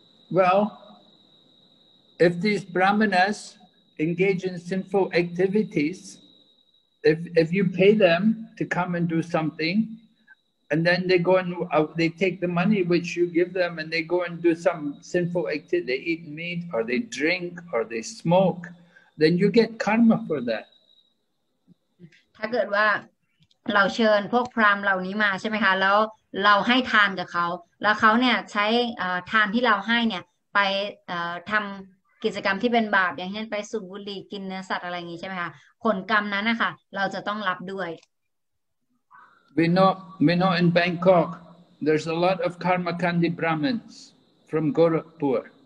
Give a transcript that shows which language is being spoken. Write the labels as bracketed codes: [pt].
[en] Well, if these brahmanas engage in sinful activities, if you pay them to come and do something, and then they go and they take the money which you give them and they go and do some sinful activity, they eat meat or they drink or they smoke, then you get karma for that. [th] ถ้าเกิดว่าเราเชิญพวกพราหมณ์เหล่านี้มาใช่ไหมคะแล้วเราให้ทานกับเขาแล้วเขาเนี่ยใช้ทานที่เราให้เนี่ย ไปทำกิจกรรมที่เป็นบาปอย่างเช่นไปสูบบุหรี่กินเนื้อสัตว์อะไรอย่างนี้ใช่ไหมคะผลกรรมนั้นนะคะเราจะต้องรับด้วย [en] We know in Bangkok there's a lot of karmakandi brahmins from Gorakhpur